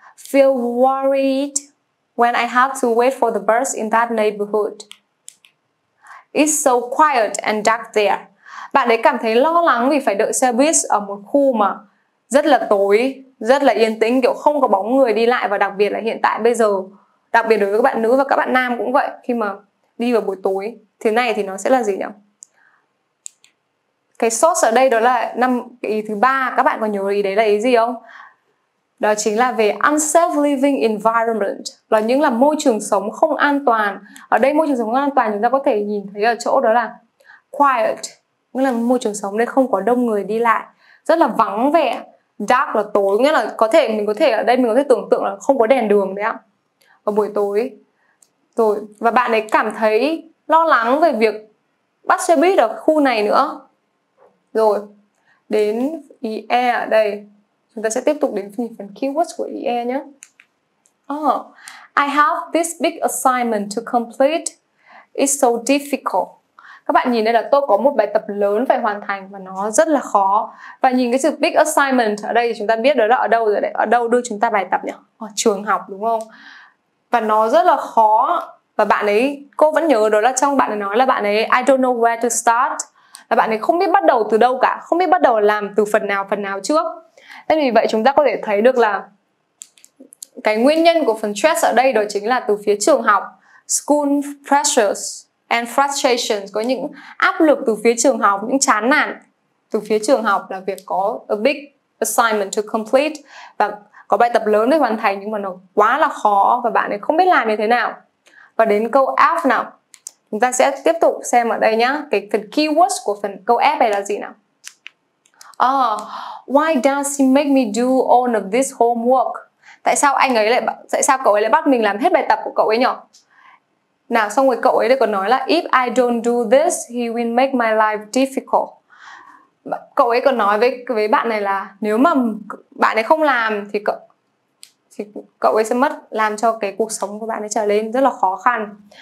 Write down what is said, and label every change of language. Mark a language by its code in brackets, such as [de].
[en] Feel worried when I have to wait for the bus in that neighborhood. It's so quiet and dark there. [vi] Bạn ấy cảm thấy lo lắng vì phải đợi xe buýt ở một khu mà rất là tối, rất là yên tĩnh, kiểu không có bóng người đi lại, và đặc biệt là hiện tại bây giờ, đặc biệt đối với các bạn nữ và các bạn nam cũng vậy, khi mà đi vào buổi tối thế này thì nó sẽ là gì nhỉ? Cái source ở đây đó là ý thứ ba, các bạn có nhớ ý đấy là ý gì không? Đó chính là về unsafe living environment, là những là môi trường sống không an toàn. Ở đây môi trường sống không an toàn chúng ta có thể nhìn thấy ở chỗ đó là quiet, nghĩa là môi trường sống đây không có đông người đi lại, rất là vắng vẻ. Dark là tối, nghĩa là mình có thể tưởng tượng là không có đèn đường đấy ạ vào buổi tối. Rồi, và bạn ấy cảm thấy lo lắng về việc bắt xe buýt ở khu này nữa. Rồi, đến ý E ở đây, chúng ta sẽ tiếp tục đến phần keywords của ý E nhé. [en] Oh, I have this big assignment to complete. It's so difficult. [vi] Các bạn nhìn đây là tôi có một bài tập lớn phải hoàn thành và nó rất là khó. Và nhìn cái chữ big assignment ở đây thì chúng ta biết đó là ở đâu rồi đấy. Ở đâu đưa chúng ta bài tập nhỉ? Ở trường học đúng không? Và nó rất là khó. Và bạn ấy, cô vẫn nhớ đó là trong bạn ấy nói là bạn ấy [en] I don't know where to start. [vi] Là bạn ấy không biết bắt đầu từ đâu cả, không biết bắt đầu làm từ phần nào trước. Nên vì vậy chúng ta có thể thấy được là cái nguyên nhân của phần stress ở đây đó chính là từ phía trường học. [en] School pressures and frustrations, [vi] có những áp lực từ phía trường học, những chán nản từ phía trường học là việc có [en] a big assignment to complete [vi] và có bài tập lớn để hoàn thành nhưng mà nó quá là khó và bạn ấy không biết làm như thế nào. Và đến câu F nào, chúng ta sẽ tiếp tục xem ở đây nhá, cái phần keywords của phần câu F này là gì nào. [en] Why does he make me do all of this homework? [vi] Tại sao cậu ấy lại bắt mình làm hết bài tập của cậu ấy nhỉ? Nào, xong rồi cậu ấy lại còn nói là [en] if I don't do this, he will make my life difficult. [vi] Cậu ấy còn nói với bạn này là nếu mà bạn ấy không làm thì cậu ấy sẽ mất, làm cho cái cuộc sống của bạn ấy trở nên rất là khó khăn.